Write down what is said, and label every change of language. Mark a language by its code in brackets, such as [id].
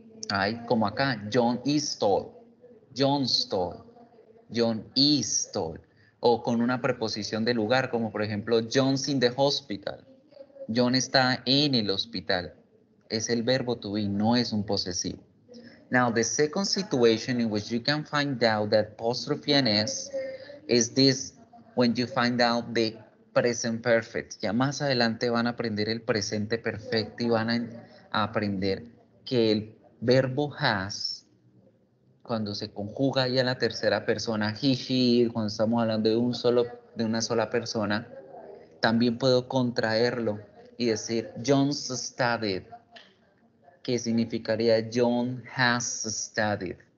[es] Hay como acá, [en] John is tall, John stole, John is tall, [es] o con una preposición de lugar, como por ejemplo, [en] John's in the hospital, [es] John está en el hospital. Es el verbo to be, no es un posesivo. [en] Now, the second situation in which you can find out that apostrophe and S is this, when you find out the present perfect. [es] Ya más adelante van a aprender el presente perfecto y van a aprender que el verbo has, cuando se conjuga ya la tercera persona, he, she, cuando estamos hablando de una sola persona, también puedo contraerlo y decir [en] John's studied, [es] que significaría [en] John has studied.